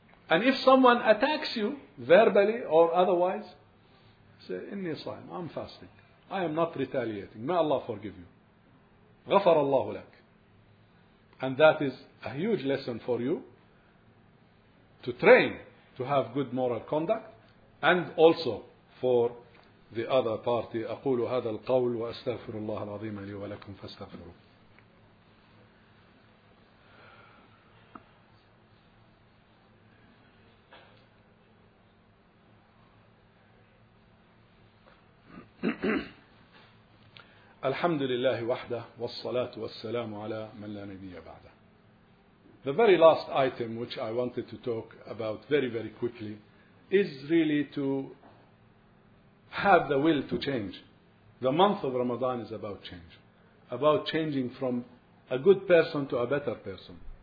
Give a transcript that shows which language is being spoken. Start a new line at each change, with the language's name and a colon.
English: And if someone attacks you, verbally or otherwise, say,
Arabic: إِنِّي صَائِمْ,
English: I'm fasting. I am not retaliating. May Allah forgive you.
Arabic: غَفَرَ اللَّهُ لَكَ.
English: And that is a huge lesson for you to train to have good moral conduct and also for the other party.
Arabic: أقول هذا القول وأستغفر الله العظيم لي ولكم فاستغفروا. الحمد لله وحده والصلاة والسلام على من لا نبي بعده.
English: The very last item which I wanted to talk about very very quickly is really to have the will to change. The month of Ramadan is about change. About changing from a good person to a better person.